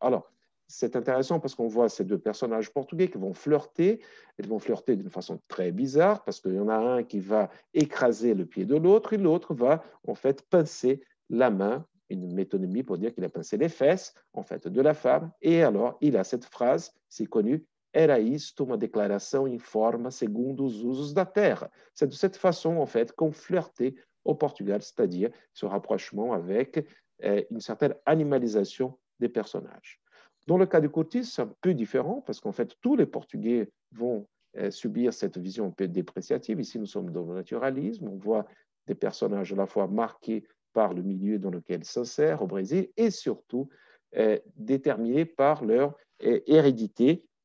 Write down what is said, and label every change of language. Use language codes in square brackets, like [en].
[fr] Alors, c'est intéressant parce qu'on voit ces deux personnages portugais qui vont flirter, ils vont flirter d'une façon très bizarre parce qu'il y en a un qui va écraser le pied de l'autre et l'autre va en fait pincer la main, une métonymie pour dire qu'il a pincé les fesses en fait de la femme. Et alors, il a cette phrase, c'est connu, [pt] era isto uma declaração informe segundo os usos da terra. [fr] C'est de cette façon, en fait, qu'on flirtait au Portugal, c'est-à-dire ce rapprochement avec une certaine animalisation des personnages. Dans le cas du Curtis, c'est un peu différent, parce qu'en fait, tous les Portugais vont subir cette vision un peu dépréciative. Ici, nous sommes dans le naturalisme, on voit des personnages à la fois marqués par le milieu dans lequel ils s'insèrent au Brésil, et surtout déterminés par leur hérédité.